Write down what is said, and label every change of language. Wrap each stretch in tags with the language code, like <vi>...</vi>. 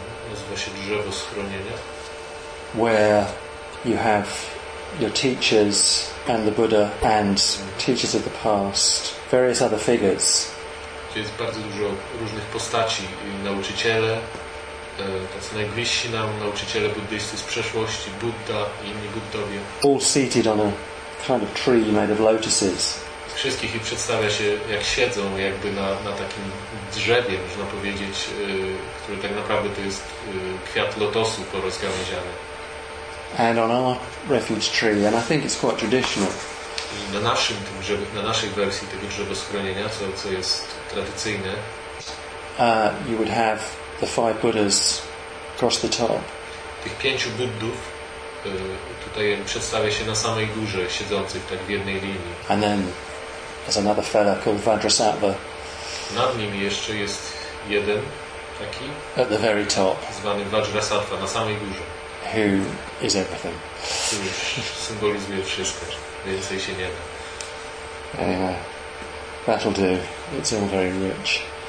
<pl>Nazywa się drzewo schronienia.</pl> <en>Where you have your teachers and the Buddha and teachers of the past, various other figures.</en> <pl>Jest bardzo dużo różnych postaci, nauczyciele, tacy najbliżsi nam, nauczyciele buddyjscy z przeszłości, Budda i inni Buddowie.</pl> <en>All seated on a kind of tree made of lotuses.</en> <pl>Wszystkich ich przedstawia się, jak siedzą, jakby na takim drzewie, można powiedzieć, który tak naprawdę to jest kwiat lotosu porozgałęziany.</pl> <en>And on our refuge tree, and I think it's quite traditional.</en> <pl>I na naszym tym drzewie, na naszej wersji tego drzewa schronienia, co jest tradycyjne.</pl> <en>You would have the five Buddhas across the top.</en> <pl>Tych pięciu Buddów tutaj przedstawia się na samej górze, siedzących tak w jednej linii.</pl> <en>And then there's another fella called Vajrasattva.</en> <pl>Nad nim jeszcze jest jeden taki.</pl> <en>At the very top.</en> <pl>Zwany Vajrasattva na samej górze.</pl> <en>Who is everything?</en> <pl>Który symbolizuje wszystko. Więcej się nie da.</pl> <en>Anyway. That'll do. It's all very rich.</en>